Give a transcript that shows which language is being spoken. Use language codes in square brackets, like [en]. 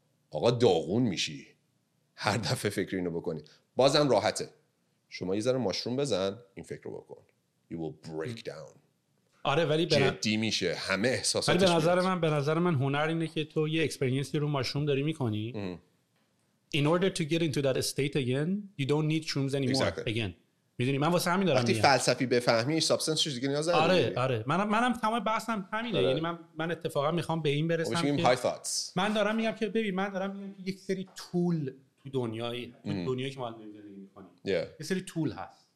[fa] آقا داغون میشی هر دفعه فکر اینو بکنی. بازم راحته، شما یه ذره ماشروم بزن این فکر رو بکن، [en] you will break down. [fa] آره ولی جدی میشه همه احساساتش. ولی به نظر من هنر اینه که تو یه اکسپریانسی رو ماشروم داری می‌کنی. [en] In order to get into that state again, you don't need shrooms anymore. Exactly. Again. [fa] میدونی من واسه همین دارم میگم. وقتی فلسفی بفهمی سابستنس چیزی نیاز نداره. آره آره. منم تمام بحثم همینه. آره. یعنی من اتفاقا میخوام به این برسم که [en] high thoughts. [fa] من دارم میگم که یک سری تول تو دنیای دنیایی که ما الان زندگی میکنیم. یه سری تول هست.